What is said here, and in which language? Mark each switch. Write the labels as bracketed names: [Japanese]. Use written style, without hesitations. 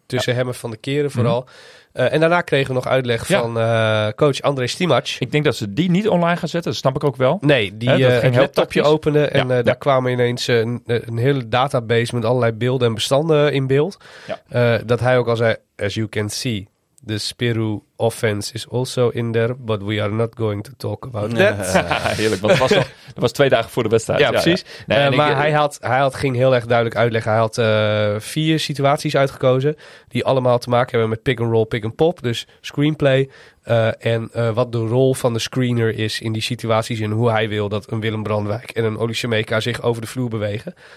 [Dutch] Tussen hem en Van der Keren vooral. Mm-hmm. En daarna kregen we nog uitleg van coach André Stimac. Ik denk dat ze die niet online gaan zetten, dat snap ik ook wel. Nee, die ging een laptopje openen en daar kwamen ineens een hele database met allerlei beelden en bestanden in beeld. Ja. Dat hij ook al zei, [English] as you can see, The Spirou offense is also in there, but we are not going to talk about that. [Dutch] Heerlijk, want dat was 2 dagen voor de wedstrijd. Ja, precies. Ja. Nee, maar hij ging heel erg duidelijk uitleggen. Hij had 4 situaties uitgekozen die allemaal te maken hebben met pick and roll, pick and pop. Dus screenplay en wat de rol van de screener is in die situaties en hoe hij wil dat een Willem Brandwijk en een Olisemeka zich over de vloer bewegen.